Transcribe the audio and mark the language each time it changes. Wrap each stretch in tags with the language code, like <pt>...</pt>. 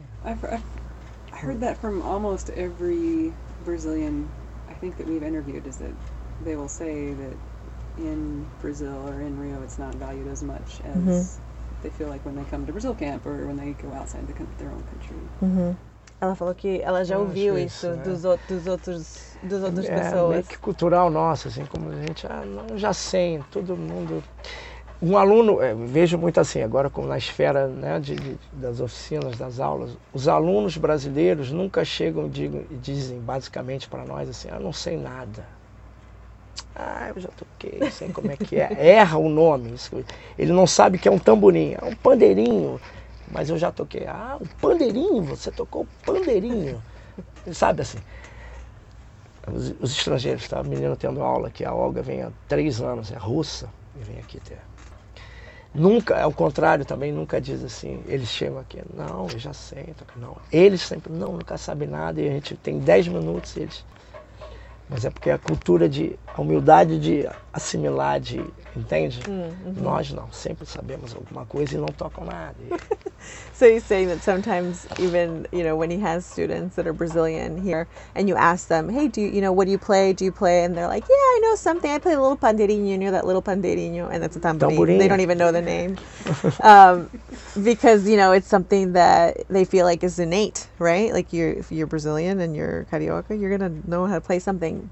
<en>I heard that from almost every Brazilian think that we've interviewed, is that they will say that in Brazil or in Rio it's not valued as much as they feel like when they come to Brazil camp or when they go outside their own country.</en> <pt>Ela falou que ela já ouviu isso, né? dos outros pessoas. É meio que cultural nosso, assim, como a gente já sei, todo mundo. Um aluno, vejo muito assim, agora como na esfera, né, das oficinas, das aulas, os alunos brasileiros nunca chegam e dizem basicamente para nós assim, eu não sei nada. Ah, eu já toquei, sei como é que é. Erra o nome. Isso, ele não sabe que é um tamborinho, é um pandeirinho, mas eu já toquei. Ah, um pandeirinho, você tocou pandeirinho. Sabe assim, os estrangeiros, tá? A menina tendo aula aqui, a Olga vem há 3 anos, é russa, e vem aqui ter. Nunca, ao contrário também, nunca diz assim, eles chegam aqui, não, eu já sei, não. Eles sempre, não, nunca sabem nada, e a gente tem 10 minutos e eles. Mas é porque a cultura de, a humildade de assimilar, de, entende? Nós não, sempre sabemos alguma coisa e não tocam nada.</pt> <en>So he's saying that sometimes, even, you know, when he has students that are Brazilian here, and you ask them, hey, what do you play? Do you play? And they're like, yeah, I know something. I play a little pandeirinho, you know, that little pandeirinho, and that's a tamborim. They don't even know the name. Because, you know, it's something that they feel like is innate, right? Like, if you're Brazilian and you're carioca, you're going to know how to play something.</en>